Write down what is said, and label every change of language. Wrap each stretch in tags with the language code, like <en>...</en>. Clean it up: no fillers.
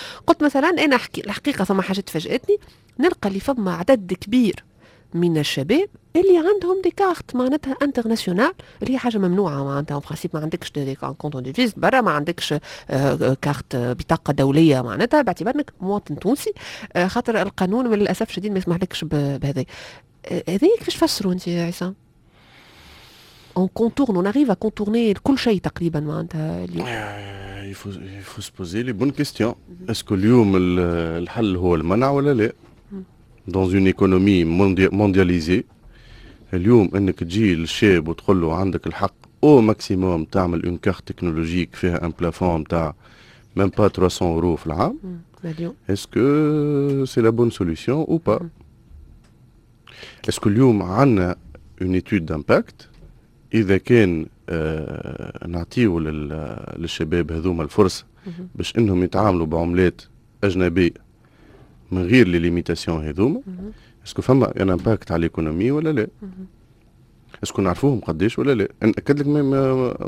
<ar>قلت مثلا أنا الحقيقة ثم حاجة تفاجأتني نلقى اللي فما عدد كبير من الشباب اللي عندهم دي كارت معناتها انترناسيونال اللي هي حاجه ممنوعه معناتها اون برانسيب ما عندكش دي كونت دو فيز برا ما عندكش كارت بطاقه دوليه معناتها باعتبار انك مواطن تونسي خاطر القانون للاسف شديد ما يسمحلكش بهذا هذه كيفاش فسروا انت يا عصام</ar> <fr>On contourne, on arrive à contourner</fr> <ar>كل شيء تقريبا معناتها اليوم.</ar> <fr>Il faut se poser les bonnes questions. Est-ce que</fr> <ar>اليوم الحل هو المنع ولا لا؟</ar> <fr>Dans une économie mondialisée,</fr> <ar>اليوم انك تجي للشاب وتقول له عندك الحق او ماكسيموم تعمل اون كارت تكنولوجيك فيها ان بلافون تاع ميم با 300 يورو في العام.</ar> <fr>Est-ce que c'est la bonne solution ou pas? Est-ce que</fr> <ar>اليوم عندنا</ar> <fr>une étude d'impact.</fr> <ar>إذا كان نعطيه للشباب هذوما الفرصة باش إنهم يتعاملوا بعملات أجنبية من غير لي ليميتاسيون هذوما اسكو فما ان امباكت على الايكونومي ولا لا؟ اسكو نعرفوهم قداش ولا لا؟ ناكد لك ما</ar>